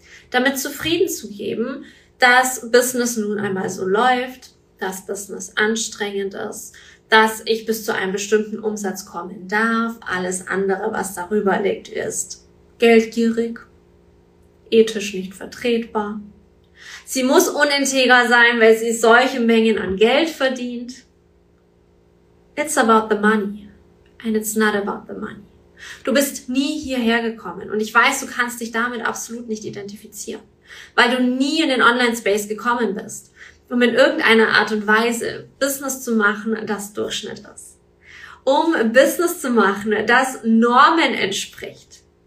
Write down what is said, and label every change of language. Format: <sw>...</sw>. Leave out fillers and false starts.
<de>Damit zufrieden zu geben, dass Business nun einmal so läuft, dass Business anstrengend ist, dass ich bis zu einem bestimmten Umsatz kommen darf. Alles andere, was darüber liegt, ist geldgierig, ethisch nicht vertretbar. Sie muss unintegrer sein, weil sie solche Mengen an Geld verdient.</de> <en>It's about the money and it's not about the money.</en> <de>Du bist nie hierher gekommen und ich weiß, du kannst dich damit absolut nicht identifizieren, weil du nie in den Online-Space gekommen bist, um in irgendeiner Art und Weise Business zu machen, das Durchschnitt ist. Um Business zu machen, das Normen entspricht.</de>